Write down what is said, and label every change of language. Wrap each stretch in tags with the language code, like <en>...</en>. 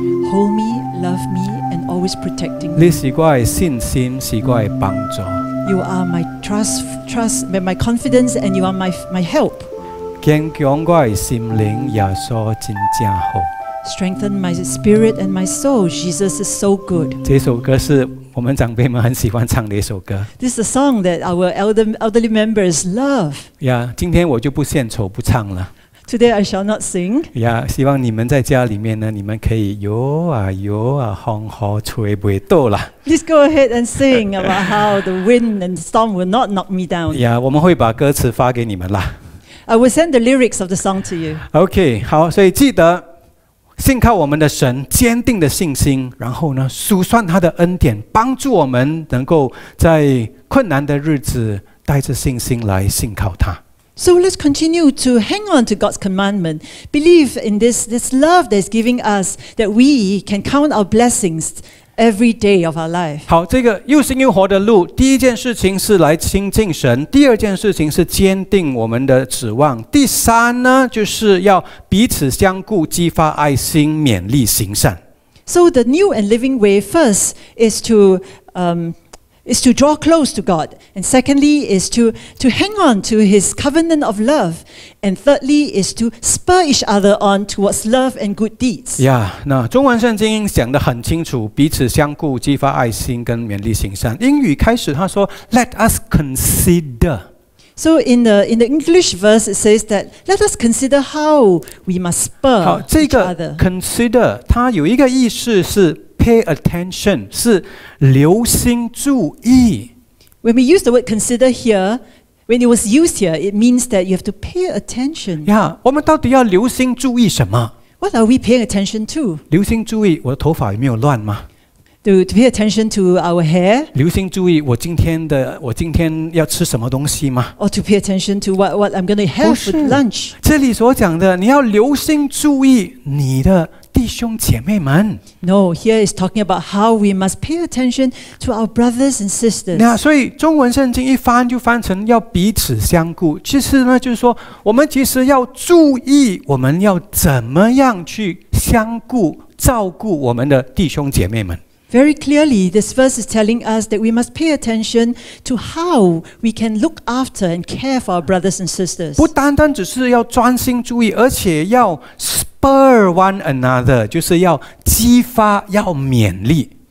<en>Hold me, love me, and always protecting me.</en> <zh>你是我的信心，是我的帮助。</zh> <en>You are my trust, my confidence, and you are my help.</en> <zh>坚强我的心灵，耶稣真正好。</zh> <en>Strengthen my spirit and my soul. Jesus is so good.</en> <zh>这首歌是我们长辈们很喜欢唱的一首歌。</zh> <en>This is a song that our elderly members love.</en> <zh>Yeah, 今天我就不献丑不唱了。</zh> <en>Today I shall not sing.</en> <zh>Yeah, 希望你们在家里面呢，你们可以游啊，风雨吹不倒了。</zh> <en>Please go ahead and sing about how the wind and storm will not knock me down.</en> <zh>Yeah, 我们会把歌词发给你们啦。</zh> <en>I will send the lyrics of the song to you.</en> <zh>Okay, 好，所以记得。信靠我们的神，坚定的信心，然后呢，数算他的恩典，帮助我们能够在困难的日子带着信心来信靠他。</zh> <en>So let's continue to hang on to God's commandment. Believe in this love that is giving us that we can count our blessings every day of our life.</en> <zh>好，这个又新又活的路，第一件事情是来亲近神，第二件事情是坚定我们的指望，第三呢，就是要彼此相顾，激发爱心，勉励行善。</zh> <en>So the new and living way first is to is to draw close to God. And secondly, is to hang on to His covenant of love. And thirdly, is to spur each other on towards love and good deeds.</en> <zh>Yeah, 那中文圣经讲得很清楚，彼此相顾，激发爱心跟勉励行善。英语开始他说 ，</zh> <en>Let us consider. So in the English verse, it says that let us consider how we must spur each other.</en> <zh>这个 consider 它有一个意思是</zh> <en>pay attention,</en> <zh>是留心注意。</zh> <en>When we use the word consider here, when it was used here, it means that you have to pay attention.</en> <zh>Yeah, 我们到底要留心注意什么</zh> <en>？What are we paying attention to?</en> <zh>留心注意我的头发有没有乱吗？</zh> <en>To pay attention to our hair.</en> <zh>留心注意我今天要吃什么东西吗</zh> <en>？Or to pay attention to what I'm going to have for lunch.</en> <zh>这里所讲的，你要留心注意你的弟兄姐妹们。</zh> <en>No, here is talking about how we must pay attention to our brothers and sisters.</en> <zh>那所以中文圣经一翻就翻成要彼此相顾，其实呢就是说，我们其实要注意，我们要怎么样去相顾、照顾我们的弟兄姐妹们。</zh> <en>Very clearly, this verse is telling us that we must pay attention to how we can look after and care for our brothers and sisters.</en> <zh>不单单只是要专心注意，而且要</zh> <en>spur one another,</en> <zh>就是要激发，要勉励。</zh>